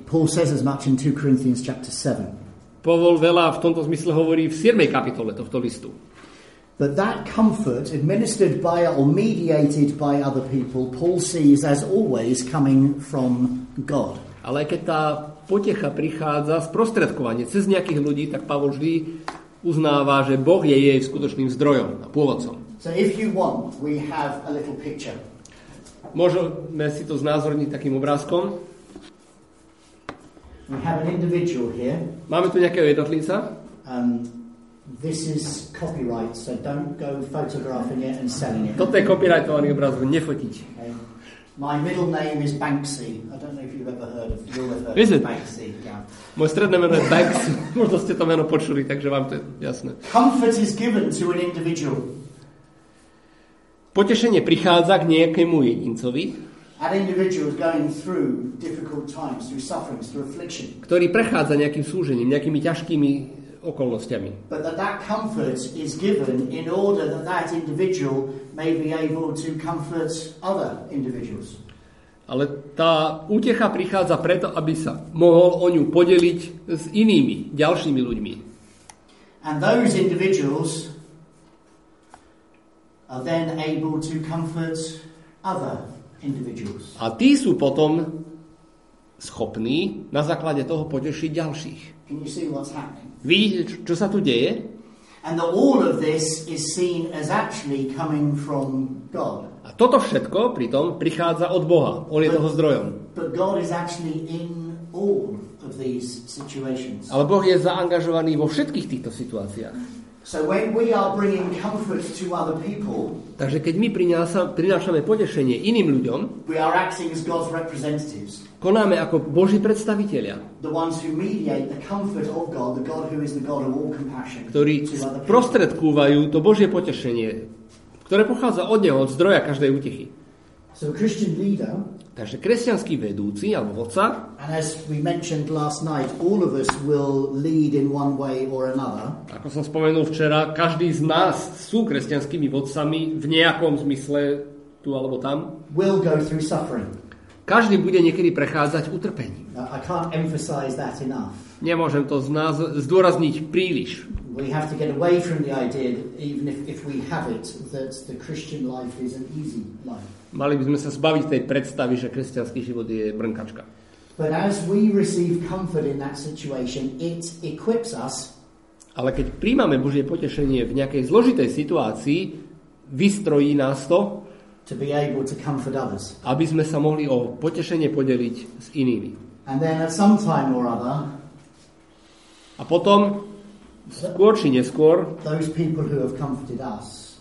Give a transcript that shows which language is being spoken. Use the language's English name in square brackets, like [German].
[English] Paul says as much in 2 Corinthians chapter 7. [Slovak] Pavol veľa v tomto zmysle hovorí v 7. kapitole tohto listu. [English] But that comfort administered by or mediated by other people, Paul sees as always coming from God. [Slovak] Ale keď tá potecha prichádza sprostredkovanie cez nejakých ľudí, tak Pavol vždy uznáva, že Boh je jej skutočným zdrojom a pôvodcom. [English] So if you want, we have a little picture. [Slovak] Môžeme si to znázorniť takým obrázkom. [English] We have an individual here. [Slovak] Máme tu nejakého jednotlivca. [English] This is copyright, so don't go photographing it and selling it. [Slovak] Toto je copyrightovaný obraz, nefotiť. [English] My middle name is Banksy. I don't know if you've ever heard of, Banksy. Yeah. [Slovak] Moje stredné meno je Banksy. Možno ste to meno počuli, takže vám to je jasné. [English] Comfort is given to an individual. [Slovak] Potešenie prichádza k nejakému jedincovi. [English] An individual is going through difficult times, through sufferings, through affliction. [Slovak] Ktorý prechádza nejakým súžením, nejakými ťažkými okolnostiami. [English] But that comfort is given in order that that individual may be able to comfort other individuals. [Slovak] Ale tá útecha prichádza preto, aby sa mohol o ňu podeliť s inými, ďalšími ľuďmi. [English] And those individuals are then able to comfort other individuals. [Slovak] A tí sú potom schopní na základe toho potešiť ďalších. [English] Can you see what's happening? [Slovak] Vidíte, čo sa tu deje? [English] And all of this is seen as actually coming from God. [Slovak] A toto všetko pritom prichádza od Boha. On je toho zdrojom. [English] But God is actually in all of these situations. [Slovak] Ale Boh je zaangažovaný vo všetkých týchto situáciách. [English] So when we are bringing comfort to other people, [Slovak] takže keď my prinášame potešenie iným ľuďom, [English] we are acting as God's representatives. [Slovak] Konáme ako Boží predstavitelia. [English] The ones who mediate the comfort of God, the God who is the God of all compassion. [Slovak] Ktorí prostredkúvajú to Božie potešenie, ktoré pochádza od Neho, od zdroja každej útechy. [English] So a Christian leader, [Slovak] takže kresťanský vedúci alebo vodca, [English] and as we mentioned last night, all of us will lead in one way or another. [Slovak] Ako som spomenul včera, každý z nás sú kresťanskými vodcami v nejakom zmysle tu alebo tam. [English] Will go through suffering. [Slovak] Každý bude niekedy prechádzať utrpením. [English] I can't emphasize that enough. [Slovak] Nemôžem to zdôrazniť príliš. [English] We have to get away from the idea that even if we have it, that the Christian life is an easy life. [Slovak] Mali by sme sa zbaviť tej predstavy, že kresťanský život je brnkačka. [English] But as we receive comfort in that situation, it equips us. [Slovak] Ale keď príjmame Božie potešenie v nejakej zložitej situácii, vystrojí nás to, [English] to be able to comfort others. [Slovak] Aby sme sa mohli o potešenie podeliť s inými. [English] And then at some time or other, [Slovak] a potom, skôr či neskôr, [English] those people who have comforted us,